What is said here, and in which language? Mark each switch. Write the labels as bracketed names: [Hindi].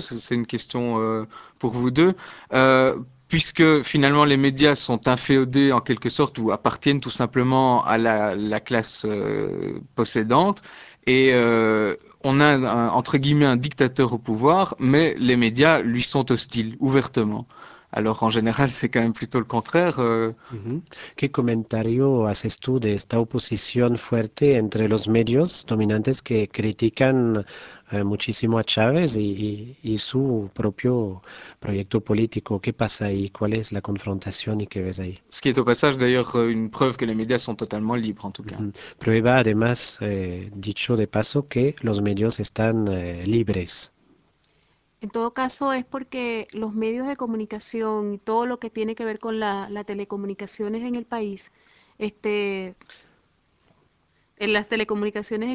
[French] C'est une question pour vous deux. Puisque finalement les médias sont inféodés en quelque sorte ou appartiennent tout simplement à la classe possédante, et on a entre guillemets un dictateur au pouvoir, mais les médias lui sont hostiles, ouvertement. Alors en général, c'est quand même plutôt le contraire. [Spanish] ¿Qué comentario haces tú de esta oposición fuerte entre los medios dominantes que critican muchísimo a Chávez y su propio proyecto político? ¿Qué pasa ahí? ¿Cuál es la confrontación y qué ves ahí? [French] Ce qui est au passage d'ailleurs une preuve que les médias sont totalement libres en tout cas. [Spanish] Prueba además, dicho de paso, que los medios están libres. En todo caso, es porque los medios de comunicación y todo lo que tiene que ver con las telecomunicaciones en el país, en las telecomunicaciones en